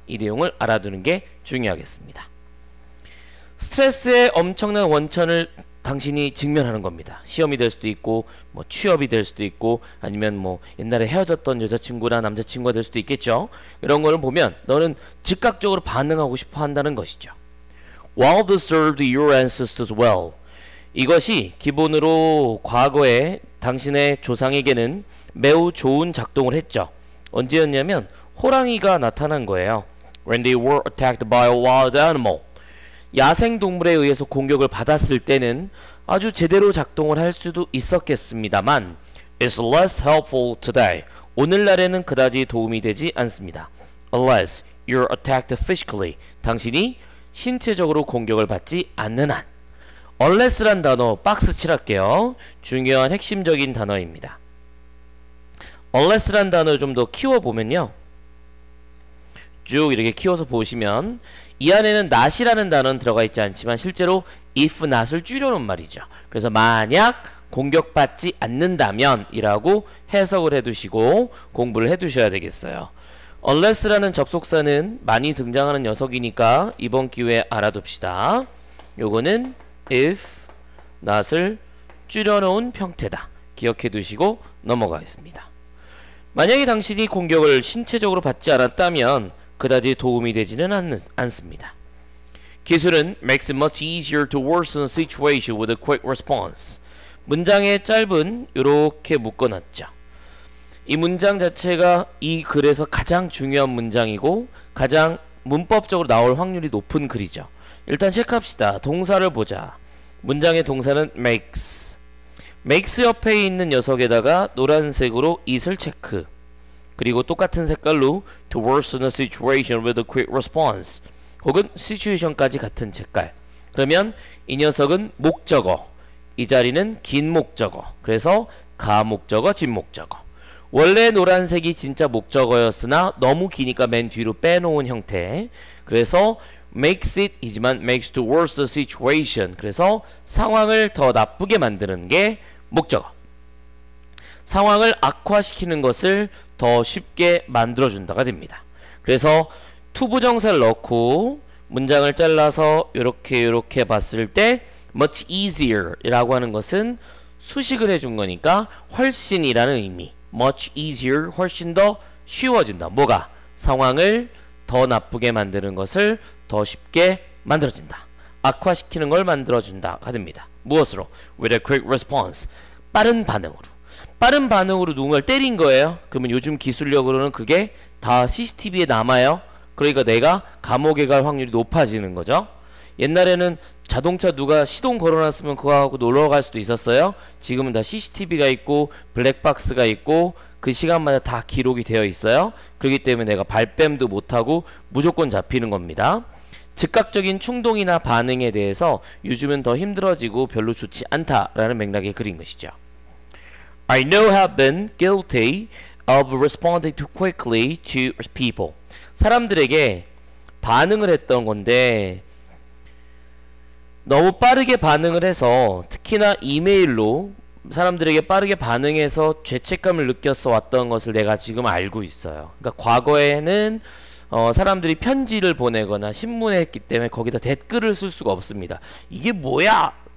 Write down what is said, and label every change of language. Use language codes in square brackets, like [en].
[ko] 이 내용을 알아두는 게 중요하겠습니다. 스트레스의 엄청난 원천을 당신이 직면하는 겁니다. 시험이 될 수도 있고 뭐 취업이 될 수도 있고 아니면 뭐 옛날에 헤어졌던 여자친구나 남자친구가 될 수도 있겠죠. 이런 거를 보면 너는 즉각적으로 반응하고 싶어 한다는 것이죠. [en] While this served your ancestors well. [ko] 이것이 기본으로 과거에 당신의 조상에게는 매우 좋은 작동을 했죠. 언제였냐면 호랑이가 나타난 거예요. [en] When they were attacked by a wild animal. [ko] 야생동물에 의해서 공격을 받았을 때는 아주 제대로 작동을 할 수도 있었겠습니다만 [en] It's less helpful today. [ko] 오늘날에는 그다지 도움이 되지 않습니다. [en] Unless you're attacked physically. [ko] 당신이 신체적으로 공격을 받지 않는 한. Unless란 단어 박스 칠할게요. 중요한 핵심적인 단어입니다. Unless란 단어를 좀 더 키워보면요. 쭉 이렇게 키워서 보시면 이 안에는 not이라는 단어는 들어가 있지 않지만 실제로 if not을 줄여놓은 말이죠. 그래서 만약 공격받지 않는다면 이라고 해석을 해두시고 공부를 해두셔야 되겠어요. Unless라는 접속사는 많이 등장하는 녀석이니까 이번 기회에 알아둡시다. 요거는 if not을 줄여놓은 형태다. 기억해두시고 넘어가겠습니다. 만약에 당신이 공격을 신체적으로 받지 않았다면 그다지 도움이 되지는 않습니다. [en] 기술은 makes it much easier to worsen a situation with a quick response. [ko] 문장의 짧은 이렇게 묶어놨죠. 이 문장 자체가 이 글에서 가장 중요한 문장이고 가장 문법적으로 나올 확률이 높은 글이죠. 일단 체크합시다. 동사를 보자. 문장의 동사는 makes. makes 옆에 있는 녀석에다가 노란색으로 it을 체크. 그리고 똑같은 색깔로 [en] to worsen a situation with a quick response. [ko] 혹은 situation까지 같은 색깔. 그러면 이 녀석은 목적어. 이 자리는 긴 목적어. 그래서 가 목적어, 진 목적어. 원래 노란색이 진짜 목적어였으나 너무 기니까 맨 뒤로 빼놓은 형태. [en] 그래서 makes it 이지만 makes to worse the situation. [ko] 그래서 상황을 더 나쁘게 만드는 게 목적어. 상황을 악화시키는 것을 더 쉽게 만들어준다가 됩니다. 그래서 to 부정사를 넣고 문장을 잘라서 이렇게 이렇게 봤을 때 much easier 이라고 하는 것은 수식을 해준 거니까 훨씬이라는 의미. much easier, 훨씬 더 쉬워진다. 뭐가? 상황을 더 나쁘게 만드는 것을 더 쉽게 만들어진다. 악화시키는 걸 만들어준다 하듭니다. 무엇으로? [en] with a quick response, [ko] 빠른 반응으로. 빠른 반응으로 누군가를 때린 거예요. 그러면 요즘 기술력으로는 그게 다 CCTV에 남아요. 그러니까 내가 감옥에 갈 확률이 높아지는 거죠. 옛날에는 자동차 누가 시동 걸어놨으면 그거 하고 놀러 갈 수도 있었어요. 지금은 다 CCTV가 있고 블랙박스가 있고 그 시간마다 다 기록이 되어 있어요. 그렇기 때문에 내가 발뺌도 못하고 무조건 잡히는 겁니다. 즉각적인 충동이나 반응에 대해서 요즘은 더 힘들어지고 별로 좋지 않다라는 맥락에 그린 것이죠. [en] I know have been guilty of responding too quickly to people. [ko] 사람들에게 반응을 했던 건데 너무 빠르게 반응을 해서 특히나 이메일로 사람들에게 빠르게 반응해서 죄책감을 느꼈어 왔던 것을 내가 지금 알고 있어요. 그러니까 과거에는 사람들이 편지를 보내거나 신문에 했기 때문에 거기다 댓글을 쓸 수가 없습니다. 이게 뭐야?